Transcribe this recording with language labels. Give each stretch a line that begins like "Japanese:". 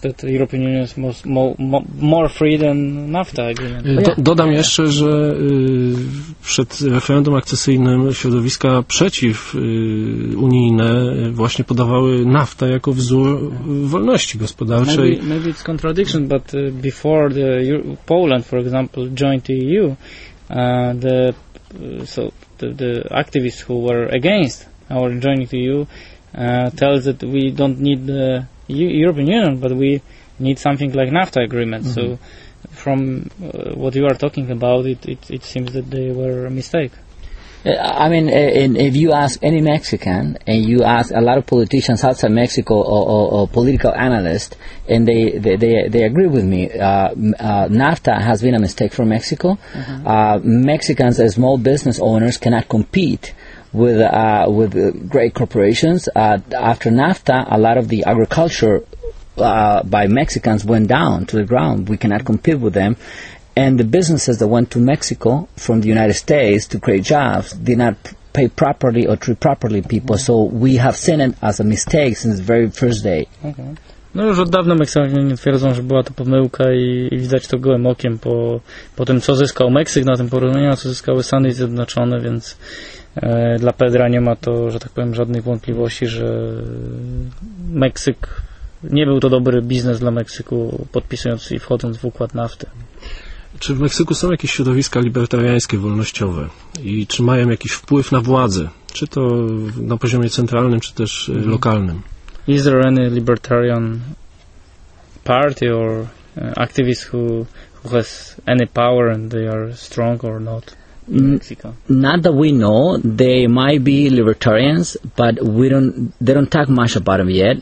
English: that European Union is more free than NAFTA agreement.
Polish: Dodam jeszcze, że przed referendum akcesyjnym środowiska przeciw unijne właśnie podawały NAFTA jako wzór wolności gospodarczej.
English: Maybe it's contradiction, but before Poland, for example, joined the EU, the so the activists who were against our joining the EU tells that we don't need the European Union, but we need something like NAFTA agreement. Mm-hmm. So from what you are talking about, it seems that they were a mistake. I mean, and if you ask any Mexican, and you ask a lot of politicians outside Mexico or political analysts, and they agree with me, NAFTA has been a mistake for Mexico. Mm-hmm. Mexicans as small business owners cannot compete with great corporations. After NAFTA, a lot of the agriculture by Mexicans went down to the ground. We cannot compete with them. And the businesses that went to Mexico from the United States to create jobs did not pay properly or treat properly people. Mm-hmm. So we have seen it as a mistake since the very first day. Okay.
Polish: No, już od dawna Meksykanie twierdzą, że była to pomyłka i widać to gołym okiem po tym, co zyskał Meksyk na tym porozumieniu, a co zyskały Stany Zjednoczone, więc dla Pedra nie ma to, że tak powiem, żadnych wątpliwości, że Meksyk, nie był to dobry biznes dla Meksyku, podpisując i wchodząc w układ NAFTY. Czy w Meksyku są jakieś środowiska libertariańskie, wolnościowe? I czy mają jakiś wpływ na władzę? Czy to na poziomie centralnym, czy też lokalnym?
English: Is there any libertarian party or activist who has any power and they are strong or not in Mexico? Not that we know. They might be libertarians, but they don't talk much about them yet.